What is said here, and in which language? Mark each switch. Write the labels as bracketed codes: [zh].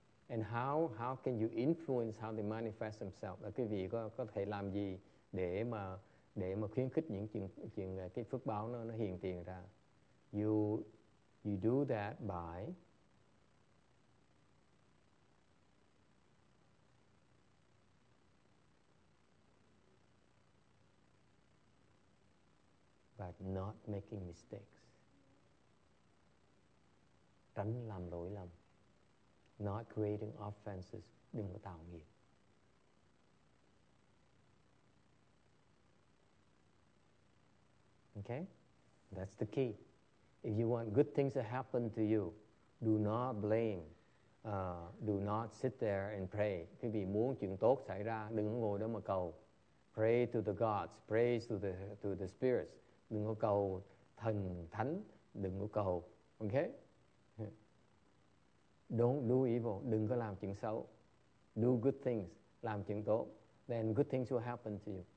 [en] And how can you influence how they manifest themselves? [vi] Quý vị có thể làm gì để mà khuyến khích những chuyện cái phước báo nó hiện tiền ra? [en] You do that by not making mistakes. [vi] Tránh làm lỗi lầm. [en] Not creating offenses. [vi] Đừng có tạo nghiệp. [en] Okay? That's the key. If you want good things to happen to you, do not blame. Do not sit there and pray. [vi] Quý vị muốn chuyện tốt xảy ra, đừng ngồi đó mà cầu. [en] Pray to the gods. Pray to the spirits. [vi] Đừng có cầu thần thánh, đừng có cầu, okay? [en] Don't do evil, [vi] đừng có làm chuyện xấu. [en] Do good things, [vi] làm chuyện tốt, [en] then good things will happen to you.